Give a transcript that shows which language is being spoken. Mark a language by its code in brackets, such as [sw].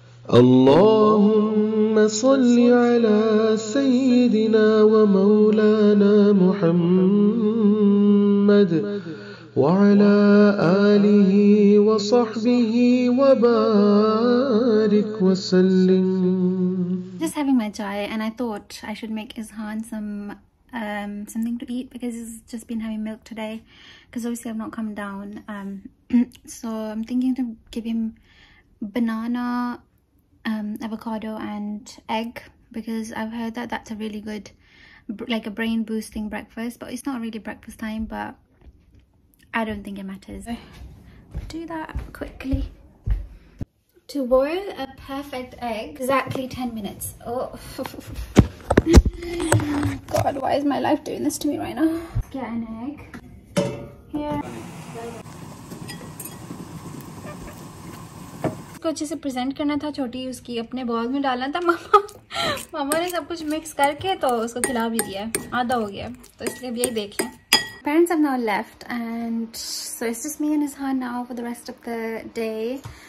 [ar] اللهم صل على سيدنا ومولانا محمد وعلى آله وصحبه وبارك وسلم. [en] Just having my chai, and I thought I should make Ishan something to eat because he's just been having milk today. Because obviously I've not come down, so I'm thinking to give him banana, avocado and egg, because I've heard that that's a really good, like a brain boosting breakfast. But it's not really breakfast time, but I don't think it matters. Do that quickly. To boil a perfect egg, exactly 10 minutes. Oh god, why is my life doing this to me right now? Get an egg here. [hi] उसको अच्छे से present करना था, छोटी उसकी अपने ball में डालना था. मामा ने सब कुछ मिक्स करके तो उसको खिला भी दिया, आधा हो गया, तो इसलिए अब यही देखें. [en] Parents have now left, and so it's just me and Ishan now for the rest of the day.